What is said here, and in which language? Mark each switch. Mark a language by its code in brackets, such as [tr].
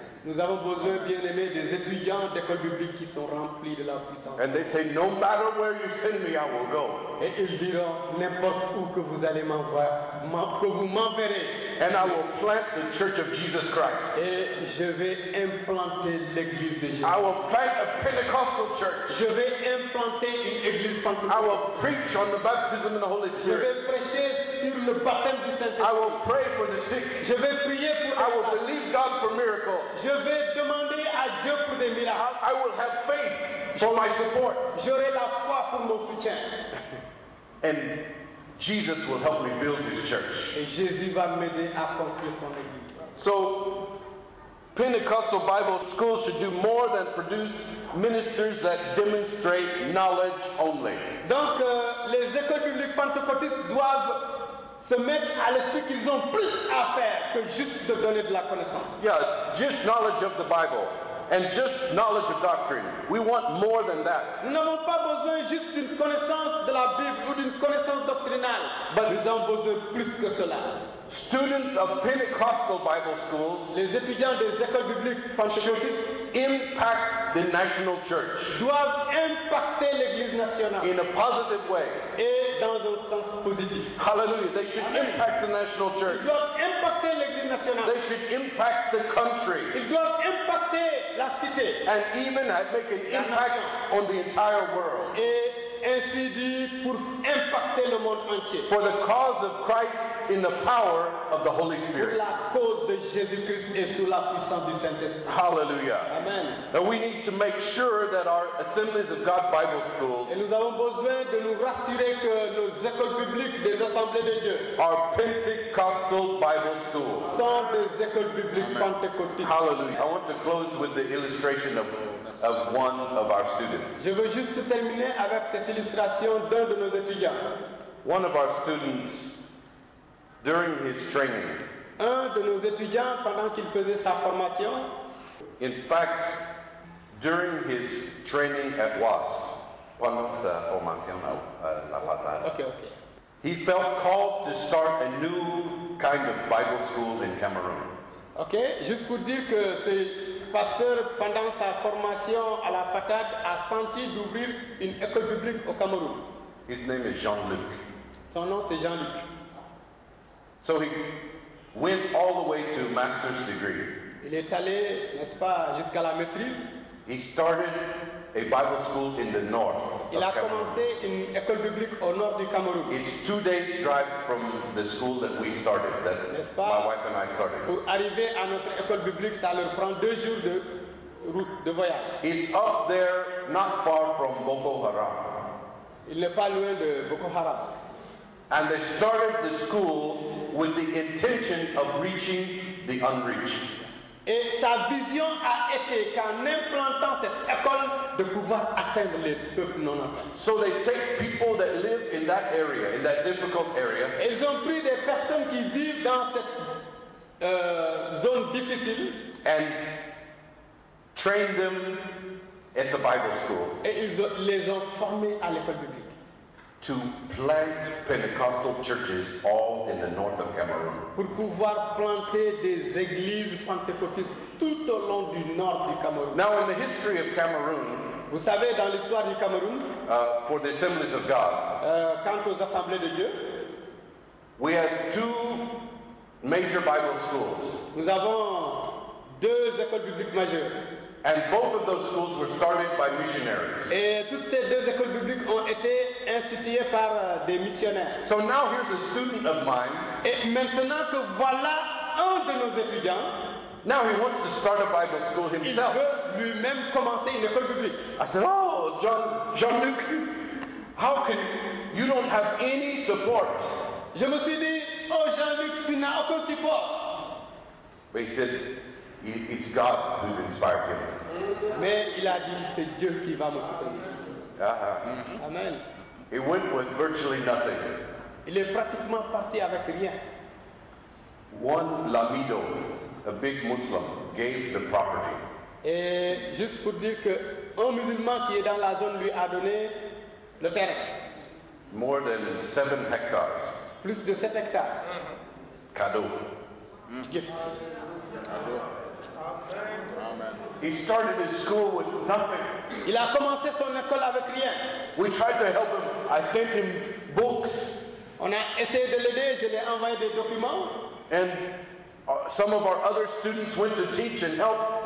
[fr] Nous avons besoin, bien-aimés, des étudiants d'école biblique qui sont remplis de la puissance. [en] And they say, no matter where you send me, I will go. [fr] Et ils diront, n'importe où que vous allez m'envoyer, que vous m'enverrez. [en] And I will plant the Church of Jesus Christ. [fr] Et je vais implanter l'Église de Jésus. [en] I will plant a Pentecostal church. [fr] Je vais implanter une église pentecôtiste. [en] I will preach on the baptism in the Holy Spirit. [fr] Je vais prêcher sur le baptême du Saint-Esprit. [en] I will pray for the sick. [fr] Je vais prier pour les malades. [en] I will believe God for miracles. [fr] Je vais demander à Dieu pour des miracles. [en] I will have faith for my support. [fr] J'aurai la foi pour mon soutien. [en] And Jesus will help me build his church. [fr] Et Jésus va m'aider à construire son église. [en] So, Pentecostal Bible schools should do more than produce ministers that demonstrate knowledge only. [fr] Donc, les écoles bibliques pentecôtistes doivent se mettre à l'esprit qu'ils ont plus à faire que juste de donner de la connaissance. [en] Yeah, just knowledge of the Bible. And just knowledge of doctrine. We want more than that. [fr] Nous n'avons pas besoin juste d'une connaissance de la Bible ou d'une connaissance doctrinale. [en] But [fr] nous avons besoin plus que cela. [en] Students of Pentecostal Bible schools, [fr] les étudiants des écoles bibliques pentecôtistes, [en] impact the national church. [fr] Doivent impacter l'Église nationale. [en] In a positive way. [fr] Et dans un sens positif. [en] Hallelujah. They should impact the national church. [fr] Ils doivent impacter l'Église nationale. [en] They should impact the country. [fr] Ils doivent impacter la cité. [en] And even make an impact on the entire world. [fr] Et ainsi dit, pour impacter le monde entier. [en] For the cause of Christ in the power of the Holy Spirit. [fr] Pour la cause de Jésus-Christ et sous la puissance du Saint-Esprit. [en] Hallelujah. Amen. Now we need to make sure that our Assemblies of God Bible schools, [fr] et nous avons besoin de nous rassurer que nos écoles publiques des assemblées de Dieu, [en] are Pentecostal Bible schools, [fr] sont des écoles bibliques pentecôtistes. [en] Hallelujah. I want to close with the illustration of one of our students. [fr] Je veux juste terminer avec cette illustration d'un de nos étudiants. [en] One of our students, during his training, [fr] un de nos étudiants pendant qu'il faisait sa formation. [en] In fact, during his training at WASP, [fr] pendant sa formation à la Fatale, [en] he felt called to start a new kind of Bible school in Cameroon. [fr] Okay, juste pour dire que ce pasteur, pendant sa formation à la Fatale, a senti d'ouvrir une école publique au Cameroun. [en] His name is Jean-Luc. [fr] Son nom c'est Jean-Luc. [en] So he went all the way to master's degree. [fr] Il est allé, n'est-ce pas, jusqu'à la maîtrise. [en] He started a Bible school in the north. [fr] Il a commencé une école biblique au nord du Cameroun. [en] It's 2 days' drive from the school that we started, that [fr] pas, [en] my wife and I started. [fr] Pour arriver à notre école biblique, ça leur prend 2 jours de route, de voyage. [en] It's up there, not far from Boko Haram. [fr] Il n'est pas loin de Boko Haram. [en] And they started the school with the intention of reaching the unreached. [fr] Et sa vision a été qu'en implantant cette école, de pouvoir atteindre les peuples non atteints. [en] So they take people that live in that area, in that difficult area. [fr] Ils ont pris des personnes qui vivent dans cette zone difficile. [en] And train them at the Bible school. [fr] Et ils les ont formés à l'école biblique. [en] To plant Pentecostal churches all in the north of Cameroon. [fr] Pour pouvoir planter des églises pentecôtistes tout au long du nord du Cameroun. [en] Now in the history of Cameroon, [fr] vous savez dans l'histoire du Cameroun, [en] for the Assemblies of God, [fr] quant aux assemblées de Dieu, [en] we had 2 major Bible schools. [fr] Nous avons 2 écoles bibliques majeures. [en] And both of those schools were started by missionaries. [fr] Et toutes ces 2 écoles publiques ont été instituées par des missionnaires. [en] So now here's a student of mine. [fr] Et maintenant que voilà un de nos étudiants. [en] Now he wants to start a Bible school himself. [fr] Il veut lui-même commencer une école publique. [en] I said, oh, Jean-Luc, how can you don't have any support? [fr] Je me suis dit, oh Jean-Luc, tu n'as aucun support. [en] But he said, it's God who's inspired him. [fr] Mais il a dit, c'est Dieu qui va me soutenir. Amen. [en] He went with virtually nothing. [fr] Il est pratiquement parti avec rien. [en] One Lamido, a big Muslim, gave the property. [fr] Et juste pour dire que un musulman qui est dans la zone lui a donné le terrain. [en] More than 7 hectares. [fr] Plus de 7 hectares. Cadeau. [en] Gift. [fr] Cadeau. Amen. [en] He started his school with nothing. [fr] Il a commencé son école avec rien. [en] We tried to help him. I sent him books. [fr] On a essayé de l'aider. Je lui ai envoyé des documents. [en] And some of our other students went to teach and help.